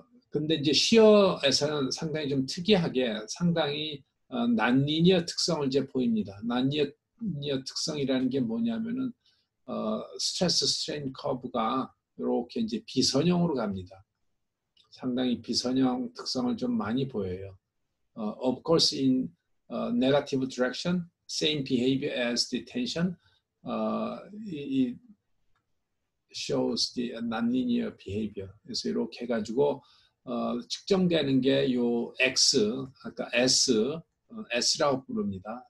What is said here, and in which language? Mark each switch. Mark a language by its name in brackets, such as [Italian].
[Korean] 근데 이제 shear에서는 상당히 좀 특이하게 상당히 난리니어 특성을 이제 보입니다. 난리니어 특성이라는 게 뭐냐면은 스트레스 스트레인 커브가 이렇게 이제 비선형으로 갑니다. 상당히 비선형 특성을 좀 많이 보여요. [English] Of course, in negative direction, same behavior as the tension, it shows the nonlinear behavior. [Korean] 그래서 이렇게 해가지고 측정되는 게 요 X, 아까 S, S라고 부릅니다.